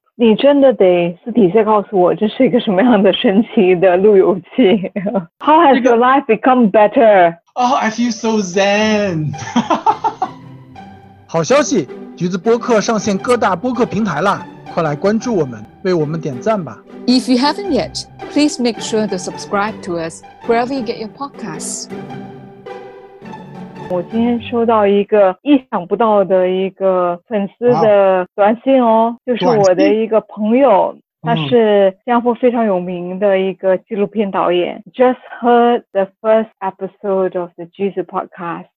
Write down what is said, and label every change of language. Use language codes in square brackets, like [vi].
[zh] 你真的得私底下告诉我，这是一个什么样的神奇的路由器 ？ [en] How has your life become better？ Oh, I feel so zen. [zh] 好消息，橘子播客上线各大播客平台啦！快来关注我们，为我们点赞吧！ [en] If you haven't yet, please make sure to subscribe to us wherever you get your podcasts. [zh] 我今天收到一个意想不到的一个粉丝的短信哦，就是我的一个朋友，他是新加坡非常有名的一个纪录片导演。 [en] Just heard the first episode of the Jesus podcast.